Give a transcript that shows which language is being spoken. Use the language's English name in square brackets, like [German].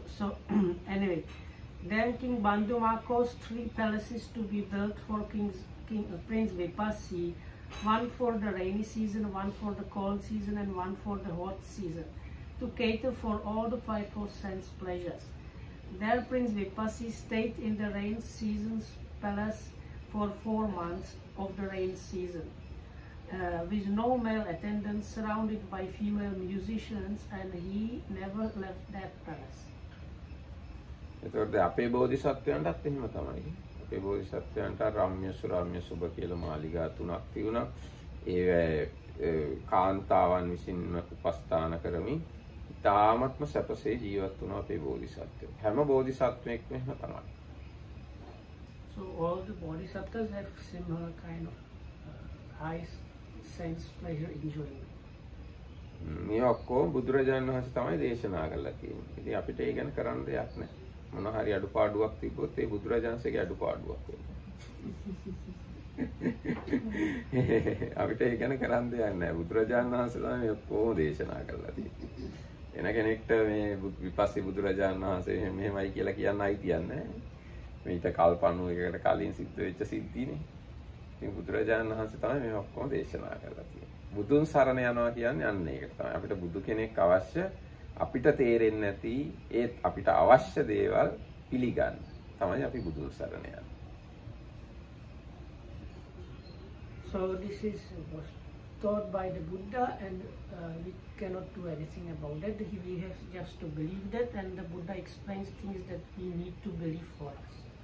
[English] So anyway, then King Banduma caused three palaces to be built for Prince Vipassi, one for the rainy season, one for the cold season, and one for the hot season, to cater for all the five sense pleasures. There Prince Vipassi stayed in the rain season's palace for 4 months of the rain season, with no male attendants, surrounded by female musicians, and he never left that palace. [Sinhala] එතකොට අපේ බෝධිසත්වයන්ටත් එහෙම තමයි. අපේ බෝධිසත්වයන්ට රම්‍ය සුරම්‍ය සුභ කියලා මාලිගා තුනක් තිබුණා. ඒවැ කාන්තාවන් විසින්ම උපස්ථාන කරමින් ඉතාමත්ම සැපසේ ජීවත් වුණා අපේ බෝධිසත්වය. හැම බෝධිසත්වෙක්ම එහෙම තමයි. [English] So all the bodhisattvas have similar kind of high sense pleasure enjoying. [Sinhala] මේ ඔක්කොම බුදුරජාණන් වහන්සේ තමයි දේශනා කළා කියන්නේ. ඉතින් අපිට ඒ ගැන කරන්න දෙයක් නැහැ. මොන හරි අඩුපාඩුවක් තිබ්බොත් ඒ බුදුරජාන්සේගේ අඩුපාඩුවක් වෙනවා. අපිට ඒක ගැන කරන් දෙයක් නැහැ. බුදුරජාන් වහන්සේ තමයි ඔක්කොම දේශනා කරලා තියෙන්නේ. එන කෙනෙක්ට මේ විපස්සි බුදුරජාන් වහන්සේ මෙහෙම මෙහෙමයි කියලා කියන්න අයිතියක් නැහැ. මේ ඉත කල්පණු එකකට කලින් සිද්ධ වෙච්ච සිද්ධිනේ. ඉතින් බුදුරජාන් වහන්සේ තමයි මේ ඔක්කොම දේශනා කරලා තියෙන්නේ. බුදුන් සරණ යනවා කියන්නේ අන්න ඒක තමයි. අපිට බුදු කෙනෙක් අවශ්‍ය. අපිට තේරෙන්නේ නැති ඒත් අපිට අවශ්‍ය දේවල් පිළිගන්න තමයි අපි බුදු සරණ යන්නේ. [English] So this is was taught by the Buddha and we cannot do anything about that. We have just to believe that and the Buddha explains things that we need to believe for us.